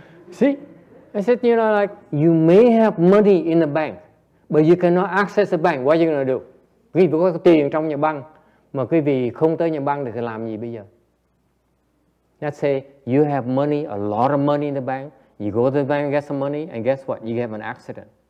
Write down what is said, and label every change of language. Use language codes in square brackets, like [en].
[en] See? I said, you know, like, you may have money in the bank, but you cannot access the bank. What are you going to do? [vi] Quý vị có tiền trong nhà băng, mà quý vị không tới nhà băng thì làm gì bây giờ? [en] Let's say, you have money, a lot of money in the bank. You go to the bank and get some money, and guess what? You have an accident.